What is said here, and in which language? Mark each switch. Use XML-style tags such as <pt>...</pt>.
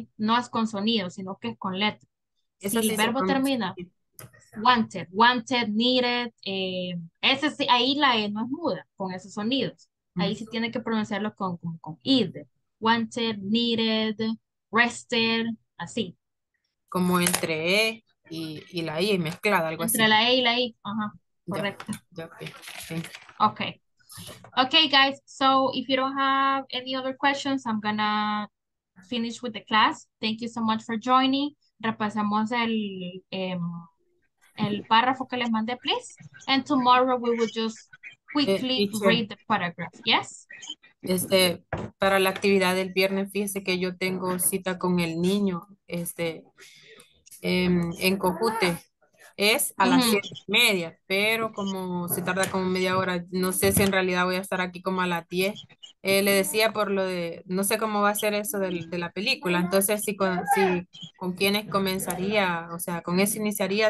<es>No es con sonido, sino que es con letra. Si sí el verbo termina,</es> <en>wanted, wanted, needed,</en> <es>ese sí, ahí la E no es muda con esos sonidos. Ahí sí tiene que pronunciarlo con id.</es> <en>Wanted, needed, rested,</en> <es>así. Como entre E y la I mezclada, algo entre así. Entre la E y la I, ajá, correcto.</es> <en>Yeah, okay. Okay. Okay, guys, so if you don't have any other questions, I'm gonna finish with the class. Thank you so much for joining.</en> <es>Repasamos el párrafo que les mandé,</es> <en>please. And tomorrow we will just quickly read the paragraph, yes?</en> <es>Para la actividad del viernes, fíjese que yo tengo cita con el niño en Cojute. Es a las 7:30, pero como se tarda como media hora, no sé si en realidad voy a estar aquí como a las 10. Le decía por lo de, no sé cómo va a ser eso de la película, entonces si con quiénes comenzaría, o sea, con eso iniciaría.</es>